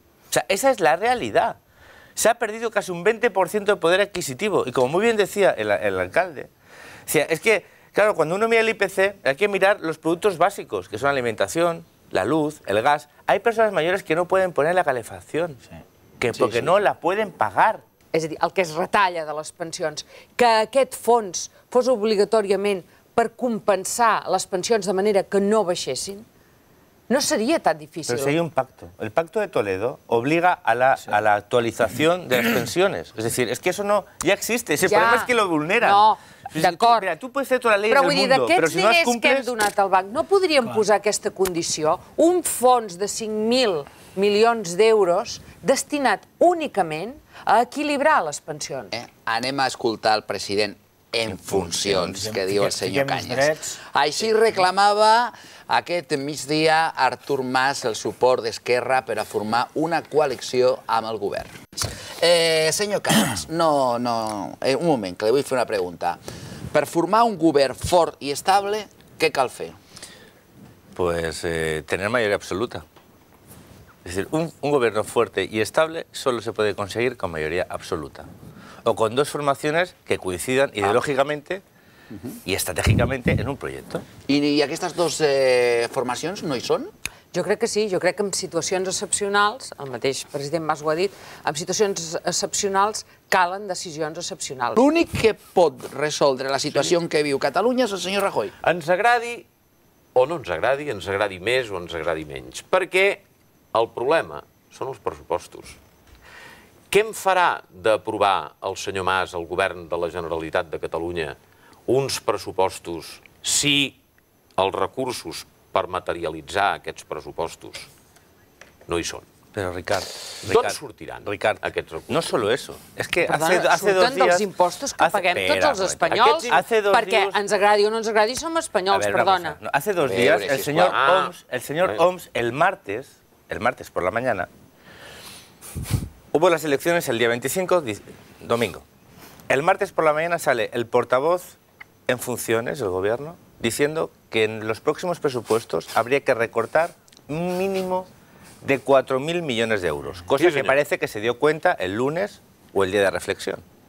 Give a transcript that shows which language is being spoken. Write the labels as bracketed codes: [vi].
[es] O sea, esa es la realidad. Se ha perdido casi un 20% de poder adquisitivo. Y como muy bien decía el alcalde, decía, es que, claro, cuando uno mira el IPC, hay que mirar los productos básicos, que son la alimentación, la luz, el gas. Hay personas mayores que no pueden poner la calefacción, porque no la pueden pagar. [ca] És a dir, el que es retalla de les pensions, que aquest fons fos obligatòriament per compensar les pensions de manera que no baixessin, no seria tan difícil. [es] Però si hay un pacto. El pacto de Toledo obliga a la actualización de las pensiones. Es decir, es que eso no... Ya existe. El problema es que lo vulneran. [ca] No, d'acord. [es] Mira, tú puedes hacer toda la ley del mundo, pero si no es cumples... [ca] Però d'aquests diners que hem donat al banc, no podríem posar aquesta condició, un fons de 5.000 milions d'euros destinat únicament a equilibrar les pensions. Anem a escoltar el president en funcions, que diu el senyor Cañas. Així reclamava... Aquest migdia, Artur Mas, el suport d'Esquerra per a formar una coalició amb el govern. Senyor Cañas, un moment, que li vull fer una pregunta. Per formar un govern fort i estable, què cal fer? [es] Pues tener mayoría absoluta. Es decir, un gobierno fuerte y estable solo se puede conseguir con mayoría absoluta. O con dos formaciones que coincidan ideológicamente... Uh-huh. [ca] I estratègicament en un projecte. I aquestes dues formacions no hi són? Jo crec que sí, jo crec que en situacions excepcionals, el mateix president Mas ho ha dit, en situacions excepcionals calen decisions excepcionals. L'únic que pot resoldre la situació en què viu Catalunya és el senyor Rajoy. Ens agradi o no ens agradi més o ens agradi menys, perquè el problema són els pressupostos. Què em farà d'aprovar el senyor Mas, el govern de la Generalitat de Catalunya, uns pressupostos, si els recursos per materialitzar aquests pressupostos no hi són? Però, Ricard... D'on sortiran aquests recursos? [es] No solo eso. És que hace dos días... [ca] Surten dels impostos que paguem tots els espanyols, perquè ens agradi o no ens agradi, som espanyols, perdona. [es] Hace dos días el senyor Homs, el martes por la mañana, hubo las elecciones el día 25, domingo. El martes por la mañana sale el portavoz... en funciones del gobierno, diciendo que en los próximos presupuestos habría que recortar un mínimo de 4.000 millones de euros, cosa que parece que se dio cuenta el lunes o el día de reflexión.